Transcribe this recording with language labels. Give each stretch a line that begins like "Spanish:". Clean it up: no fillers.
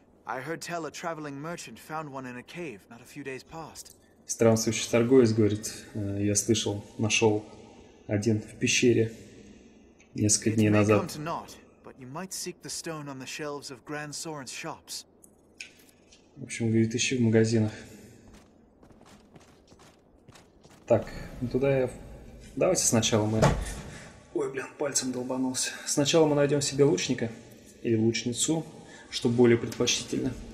English: Я heard tell a traveling merchant found one in a cave not a few days past.
Russian: Странствующий торговец, говорит, я слышал, нашел один в пещере несколько дней назад.
English: Not, but you might seek the stone on the shelves of Grand Soren's shops.
Russian: В общем, говорит, ищи в магазинах. Так, ну туда я... Давайте сначала мы... Ой, блин, пальцем долбанулся. Сначала мы найдем себе лучника или лучницу. Что более предпочтительно.